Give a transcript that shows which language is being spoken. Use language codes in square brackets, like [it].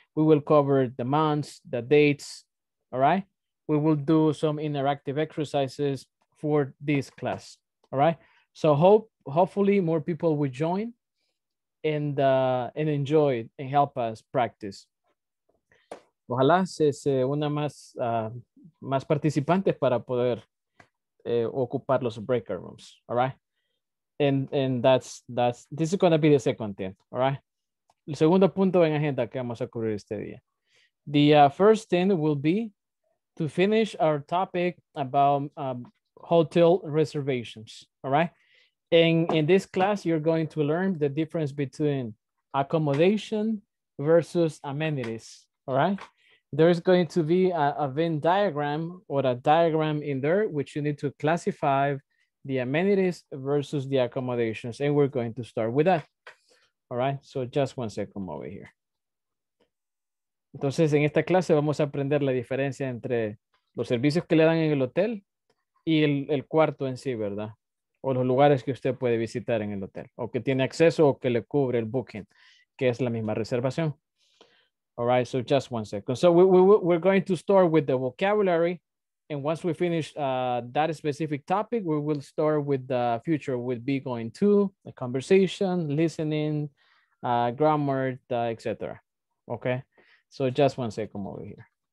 [en] We will cover the months, the dates, all right? We will do some interactive exercises for this class, all right? So hopefully more people will join and enjoy and help us practice. [es] Ojalá se una más participantes para poder ocupar los breakout rooms, [en] all right? And this is gonna be the second thing, all right? [es] El segundo punto en agenda que vamos a cubrir este día. [en] The first thing will be to finish our topic about hotel reservations, all right? In this class, you're going to learn the difference between accommodation versus amenities, all right? There is going to be a Venn diagram or a diagram in there, which you need to classify the amenities versus the accommodations. And we're going to start with that. All right, so just one second over here. [es] Entonces, en esta clase vamos a aprender la diferencia entre los servicios que le dan en el hotel y el cuarto en sí, ¿verdad? O los lugares que usted puede visitar en el hotel, o que tiene acceso o que le cubre el booking, que es la misma reservación. [en] All right, so just one second. So we're going to start with the vocabulary. And once we finish that specific topic, we will start with the future, would be going to, the conversation, listening, grammar, etc. Okay, so just one second over here.